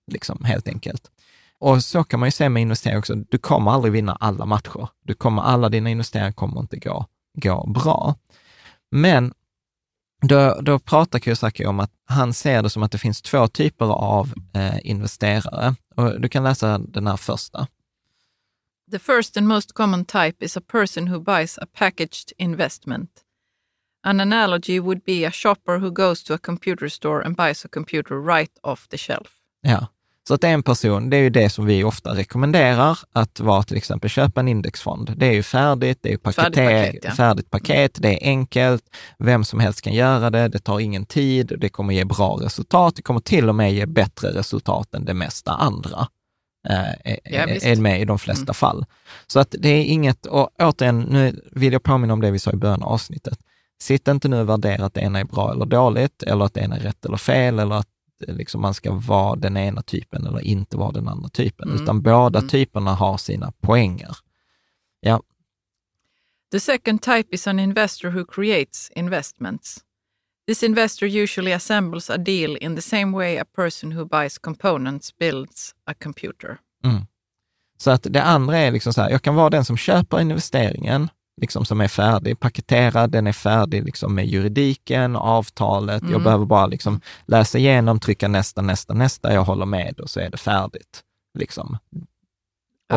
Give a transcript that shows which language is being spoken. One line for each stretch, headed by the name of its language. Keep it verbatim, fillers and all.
Swedish: liksom helt enkelt. Och så kan man ju se med investeringar också, du kommer aldrig vinna alla matcher, du kommer, alla dina investeringar kommer inte gå, gå bra. Men Då, då pratar Kiyosaki om att han ser det som att det finns två typer av eh, investerare. Och du kan läsa den här första.
English: The first and most common type is a person who buys a packaged investment. An analogy would be a shopper who goes to a computer store and buys a computer right off the shelf.
Swedish: Ja, så att en person, det är ju det som vi ofta rekommenderar, att vara till exempel köpa en indexfond. Det är ju färdigt, det är ju paket, färdigt paket, ja. färdigt paket det är enkelt, vem som helst kan göra det, det tar ingen tid, det kommer ge bra resultat, det kommer till och med ge bättre resultat än det mesta andra. Är, ja, är med i de flesta mm. fall. Så att det är inget, och återigen, nu vill jag påminna om det vi sa i början av avsnittet. Sitt inte nu och värdera att det ena är bra eller dåligt, eller att det ena är rätt eller fel, eller att liksom man ska vara den ena typen eller inte vara den andra typen, mm. utan båda mm. typerna har sina poänger. Ja.
English: The second type is an investor who creates investments. This investor usually assembles a deal in the same way a person who buys components builds a computer. Mm.
Swedish: Så att det andra är liksom så här, jag kan vara den som köper investeringen, liksom som är färdig, paketerad, den är färdig liksom med juridiken, avtalet, mm. jag behöver bara liksom läsa igenom, trycka nästa, nästa, nästa, jag håller med och så är det färdigt. Liksom. Och,